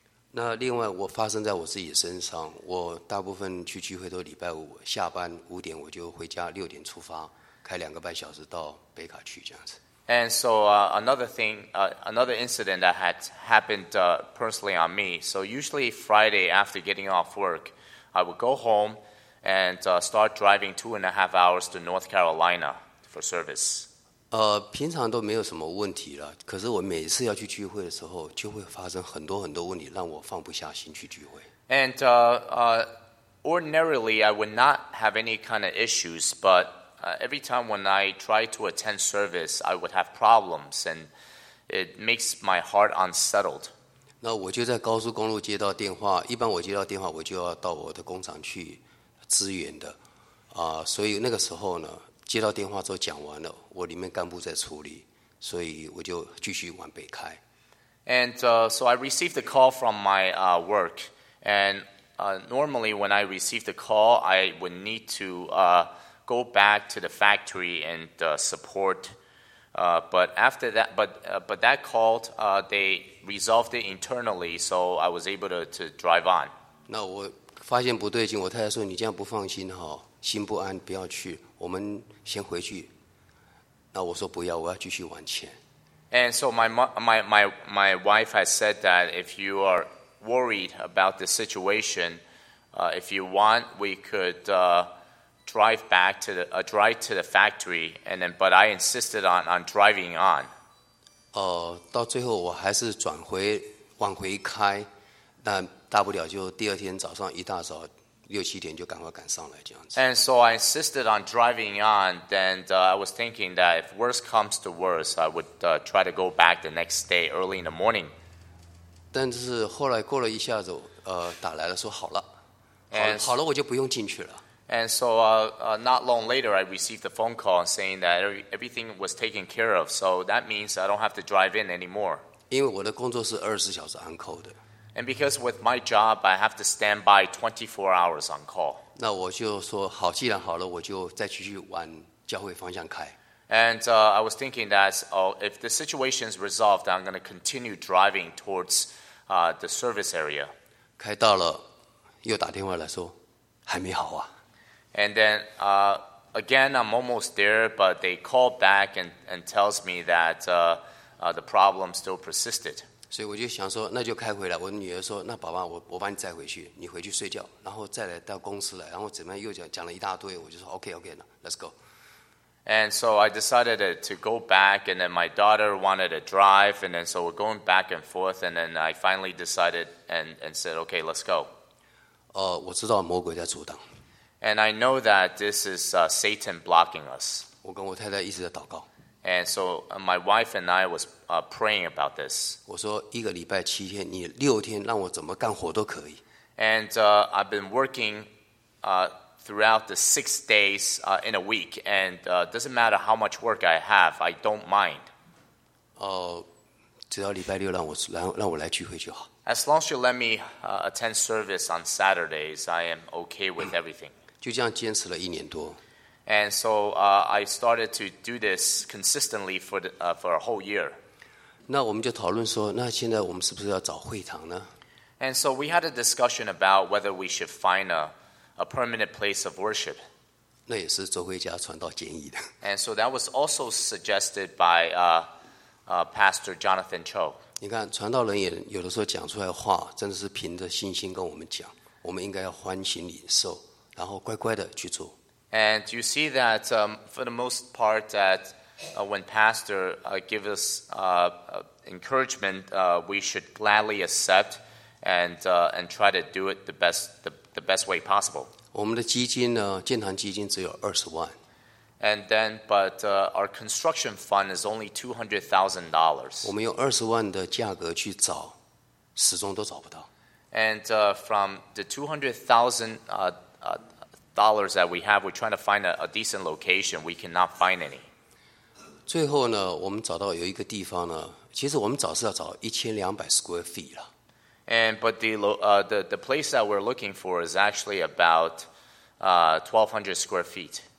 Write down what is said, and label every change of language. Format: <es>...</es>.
<zh>那另外，我发生在我自己身上，我大部分去聚会都礼拜五下班五点我就回家，六点出发，开两个半小时到北卡去这样子。</zh> <en>And so another incident that had happened personally on me. So usually Friday after getting off work, I would go home and start driving 2.5 hours to North Carolina for service.</en> <zh>平常都没有什么问题了。可是我每次要去聚会的时候，就会发生很多很多问题，让我放不下心去聚会。</zh> <en>And ordinarily I would not have any kind of issues, but every time when I try to attend service, I would have problems, and it makes my heart unsettled.</en> <zh>那我就在高速公路接到电话，一般我接到电话，我就要到我的工厂去支援的。所以那个时候呢，接到电话之后讲完了，我里面干部在处理，所以我就继续往北开。</zh> <en>And so I received a call from my work, and normally when I receive the call, I would need to go back to the factory and support. But after that, but that called, they resolved it internally, so I was able to drive on.</en> <zh>那我发现不对劲，我太太说你这样不放心哈，心不安，不要去，我们先回去。那我说不要，我要继续往前。</zh> <en>And so my wife has said that if you are worried about the situation, if you want, we could drive back to the drive to the factory, and then but I insisted on driving on.</en> <zh>到最后我还是转回往回开，那大不了就第二天早上一大早六七点就赶快赶上来这样子。</zh> <en>And so I insisted on driving on, and I was thinking that if worse comes to worse, I would try to go back the next day early in the morning.</en> <zh>但是后来过了一下子，打来了说好了，好了我就不用进去了。</zh> <en>And so not long later, I received a phone call saying that everything was taken care of. So that means I don't have to drive in anymore.</en> <zh>因为我的工作是24小时</zh> <en>on call</en> <zh>的。</zh> <en>And because with my job, I have to stand by 24 hours on call.</en> <zh>那我就说好，既然好了，我就再继续往教会方向开。</zh> <en>And I was thinking that if the situation is resolved, I'm going to continue driving towards the service area.</en> <zh>开到了，又打电话来说，还没好啊。</zh> <en>And then, again, I'm almost there, but they call back and tells me that the problem still persisted.</en> <zh>所以我就想说，那就开回来。我女儿说，那爸爸，我把你载回去，你回去睡觉，然后再来到公司来，然后怎么样又讲了一大堆。我就说 ，</zh> <en>OK, let's go. And so I decided to go back, and then my daughter wanted to drive, and then so we're going back and forth, and then I finally decided and said, okay, let's go.</en> <zh>我知道魔鬼在阻挡。</zh> <en>And I know that this is Satan blocking us.</en> <zh>我跟我太太一直在祷告。</zh> <en>And so my wife and I was praying about this.</en> <zh>我说一个礼拜七天，你六天让我怎么干活都可以。</zh> <en>And I've been working throughout the 6 days in a week, and doesn't matter how much work I have, I don't mind.</en> <zh>只要礼拜六让我来聚会就好。</zh> <en>As long as you let me attend service on Saturdays, I am okay with everything.</en> <zh>就这样坚持了一年多。</zh> <en>And so I started to do this consistently for a whole year.</en> <zh>那我们就讨论说，那现在我们是不是要找会堂呢？</zh> <en>And so we had a discussion about whether we should find a permanent place of worship.</en> <zh>那也是周慧佳传道建议的。</zh> <en>And so that was also suggested by Pastor Jonathan Cho.</en> <zh>你看，传道人也有的时候讲出来的话，真的是凭着信心跟我们讲，我们应该要欢喜领受，然后乖乖的去做。</zh> <en>And you see that、for the most part that、when pastor、gives us、encouragement,、we should gladly accept and,、and try to do it the best way possible.</en> <zh>我们的基金呢，建堂基金只有20万。</zh> <en>And then, but、our construction fund is only $200,000.</en> <zh>我们用20万的价格去找，始终都找不到。</zh> <en>And、from the $200,000 that we have, we're trying to find a decent location. We cannot find any.</en> <zh>最后呢，我们找到有一个地方呢，其实我们找是要找1200</zh> <en>square feet</en> <zh>啦。</zh> <en>And but the place that we're looking for is actually about 1200 square feet.</en>